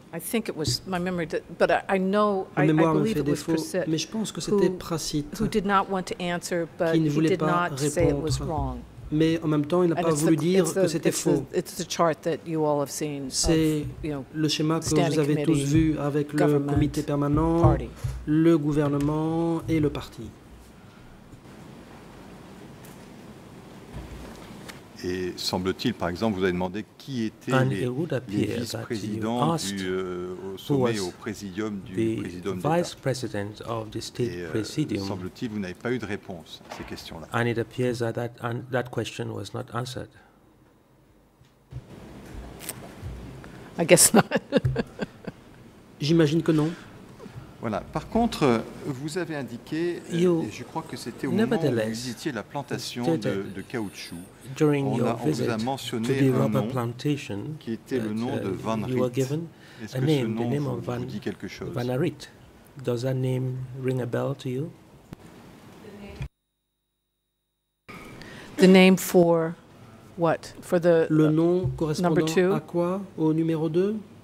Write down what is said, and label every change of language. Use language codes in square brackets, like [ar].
[en] I think it was my memory, but I know I believe it was Prasit. [fr] Mais je pense que c'était Prasit. [en] Who did not want to answer, but he did not say it was wrong. [fr] Mais en même temps, il n'a pas voulu dire que c'était faux. [en] It's the chart that you all have seen. [fr] C'est le schéma que vous avez tous vu avec le comité permanent, le gouvernement et le parti. Et semble-t-il, par exemple, vous avez demandé qui étaient les vice-présidents du sommet au présidium du présidium d'État. [en] Vice president of the state presidium. [fr] Et semble-t-il, vous n'avez pas eu de réponse à ces questions-là. [en] And it appears that question was not answered. I guess not. [fr] J'imagine que non. Voilà. Par contre, vous avez indiqué, et je crois que c'était au moment où vous visitiez la plantation de caoutchouc, on vous a mentionné un nom qui était le nom de Van Riet. Est-ce que [en] name, [fr] ce nom vous, [en] Van, [fr] vous dit quelque chose? Van Riet. [en] Does that name ring a bell to you? The name for what? For the [fr] le nom correspondant à quoi? Au numéro 2?